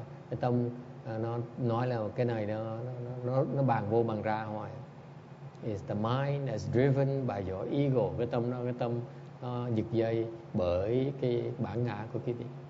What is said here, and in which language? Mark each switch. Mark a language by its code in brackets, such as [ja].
[vi] Cái tâm đó nói là cái này nó bàn vô bàn ra hoài. [en] Is the mind that's driven by your ego. [vi] Cái tâm nó giật dây bởi cái bản ngã của quý vị.